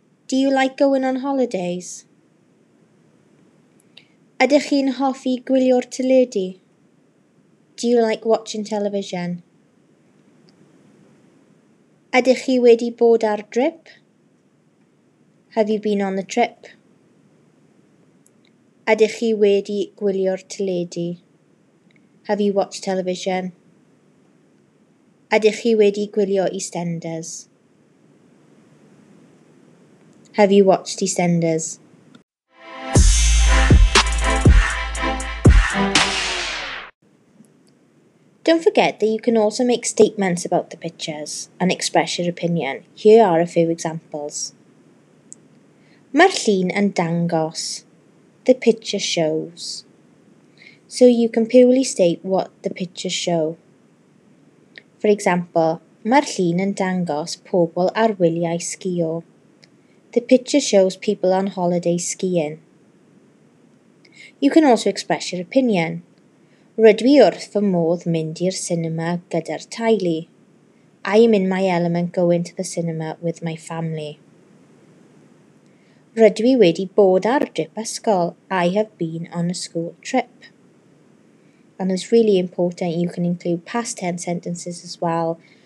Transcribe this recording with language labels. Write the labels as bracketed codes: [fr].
[en] Do you like going on holidays? [cy] Ydych chi'n hoffi gwylio'r teledu? [en] Do you like watching television? [cy] Ydych chi wedi bod ar drip? [en] Have you been on the trip? [cy] Ydych chi wedi gwylio'r teledu? [en] Have you watched television? [cy] Ydych chi wedi gwylio EastEnders? [en] Have you watched EastEnders? Don't forget that you can also make statements about the pictures and express your opinion. Here are a few examples. [cy] Mae'r llun yn dangos. [en] The picture shows. So you can purely state what the pictures show. For example, [cy] mae'r llun yn dangos pobl ar wyliau sgïo. [en] The picture shows people on holiday skiing. You can also express your opinion. [cy] Rydw I wrth fy modd mynd i'r cinema gyda'r teulu. [en] I am in my element going to the cinema with my family. [cy] Rydw I wedi bod ar drip ysgol. [en] I have been on a school trip. And it's really important you can include past tense sentences as well.